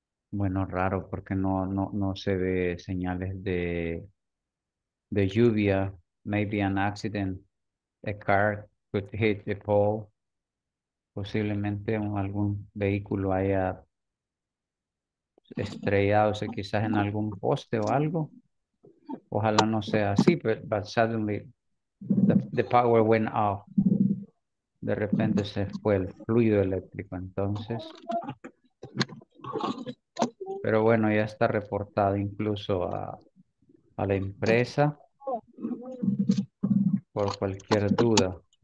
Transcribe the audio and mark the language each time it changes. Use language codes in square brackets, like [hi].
[es] Bueno, raro porque no se ve señales de lluvia. [en] Maybe an accident. A car could hit a pole. [es] Posiblemente algún vehículo haya estrellado, o sea, quizás en algún poste o algo. Ojalá no sea así, [en] but suddenly the power went off. [es] De repente se fue el fluido eléctrico, entonces. Pero bueno, ya está reportado incluso a la empresa por cualquier duda.